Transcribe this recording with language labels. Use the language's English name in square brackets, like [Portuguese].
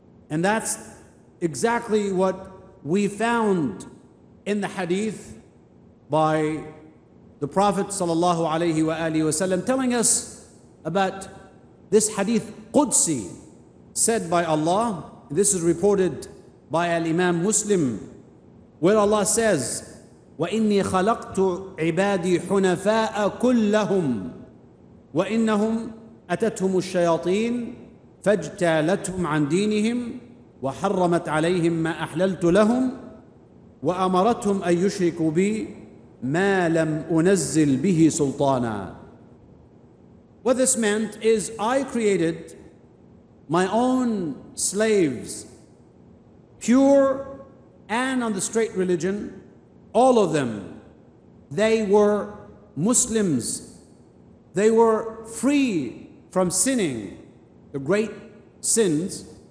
[English] And that's exactly what we found in the hadith by the Prophet sallallahu alayhi wa alihi wasallam, telling us about this hadith Qudsi said by Allah. This is reported by Al-Imam Muslim, where Allah says, [Arabic] وَإِنِّي خَلَقْتُ عِبَادِي حُنَفَاءَ كُلَّهُمْ وَإِنَّهُمْ أَتَتْهُمُ الشَّيَاطِينَ فَاجْتَالَتْهُمْ عَنْ دِينِهِمْ وَحَرَّمَتْ عَلَيْهِمْ مَا أَحْلَلْتُ لَهُمْ وَأَمَرَتْهُمْ أَنْ يُشْرِكُوا بِي مَا لَمْ أُنَزِّلْ بِهِ سُلْطَانًا. [English] What this meant is, I created my own slaves, pure and on the straight religion, all of them. They were Muslims. They were free from sinning, the great sins.